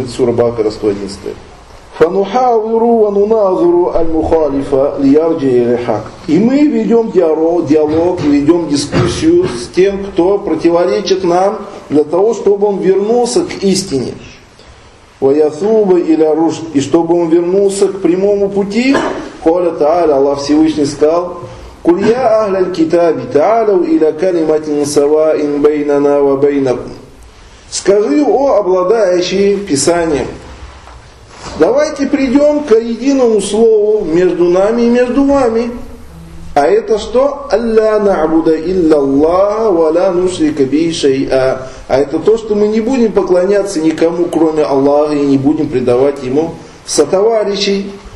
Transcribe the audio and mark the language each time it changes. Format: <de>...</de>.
<ru>Это сура Бакара 111.</ru> <ar>فَنُحَاوِرُ وَنُنَازُرُ الْمُخَالِفَ لِيَرْجِي الْحَقِ.</ar> <ru>И мы ведем диалог, ведем дискуссию с тем, кто противоречит нам, для того, чтобы он вернулся к истине.</ru> <ar>وَيَثُوبَ إِلَى رُشْدٍ.</ar> <ru>И чтобы он вернулся к прямому пути,</ru> <ar>قَالَ تَعَالَى,</ar> <ru>Аллах Всевышний сказал,</ru> <ar>قُلْ يَا أَهْلَ الْكِتَابِ تَعَالَوْ إِلَى كَلِمَةٍ سَوَاءٍ بَيْنَنَا وَبَيْنَكُمْ.</ar> <ru>Скажи, о обладающие Писанием, давайте придем к единому слову между нами и между вами. А это что?</ru> <ar>Алля на'буда илляллаха ва ля нушрика бихи шайа.</ar> <ru>А это то, что мы не будем поклоняться никому, кроме Аллаха, и не будем предавать ему сотоварищей.</ru>